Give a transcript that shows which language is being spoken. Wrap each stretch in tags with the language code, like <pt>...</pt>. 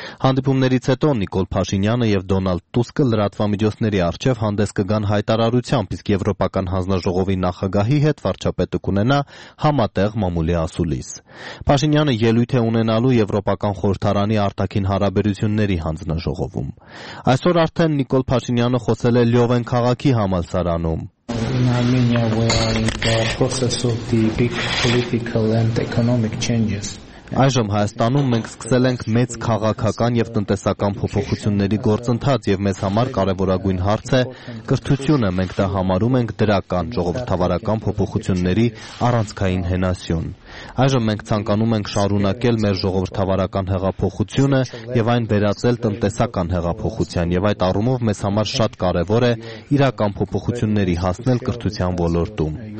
<hy>Հանդիպումներից հետո Նիկոլ Փաշինյանը և Դոնալդ Տուսկը լրատվամիջոցների առջև հանդես կգան հայտարարությամբ, իսկ Եվրոպական հանձնաժողովի նախագահի հետ վարչապետը կունենա համատեղ մամուլի ասուլիս։ Փաշինյանը ելույթ է ունենալու Եվրոպական խորհրդարանի արտաքին հարաբերությունների հանձնաժողովում։ Այսօր արդեն Նիկոլ Փաշինյանը խոսել է Լյովեն քաղաքի համալսարանում։</hy> <en>In Armenia, we are in the process of the big political and economic changes.</en> <hy>Այժմ Հայաստանում մենք սկսել ենք մեծ քաղաքական և տնտեսական փոփոխությունների գործընթաց և մեզ համար կարևորագույն հարց է կրթությունը, մենք դա համարում ենք դրական ժողովրդավարական փոփոխությունների առանցքային հենասյուն։ Այժմ մենք ցանկանում ենք շարունակել մեր ժողովրդավարական հեղափոխությունը և այն վերածել տնտեսական հեղափոխության, և այդ առումով մեզ համար շատ կարևոր է իրական փոփոխությունների հասնել կրթության ոլորտում։</hy>